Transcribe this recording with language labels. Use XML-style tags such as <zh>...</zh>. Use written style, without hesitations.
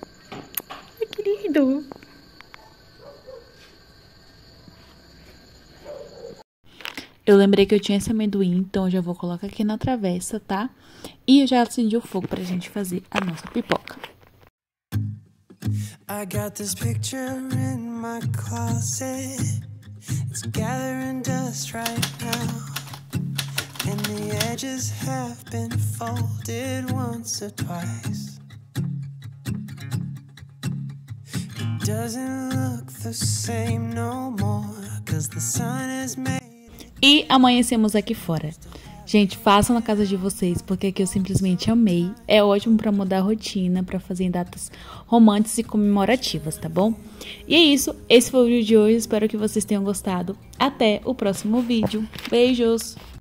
<pt>Ai, que lindo. Eu lembrei que eu tinha esse amendoim, então eu já vou colocar aqui na travessa, tá? E eu já acendi o fogo pra gente fazer a nossa pipoca.</pt> <en>I got this picture in my closet. It's gathering dust right now. And the edges have been folded once or twice. It doesn't look the same no more, 'cause the sun has made.</en> <pt>E amanhecemos aqui fora. Gente, façam na casa de vocês, porque aqui eu simplesmente amei. É ótimo pra mudar a rotina, pra fazer datas românticas e comemorativas, tá bom? E é isso, esse foi o vídeo de hoje, espero que vocês tenham gostado. Até o próximo vídeo. Beijos!</pt>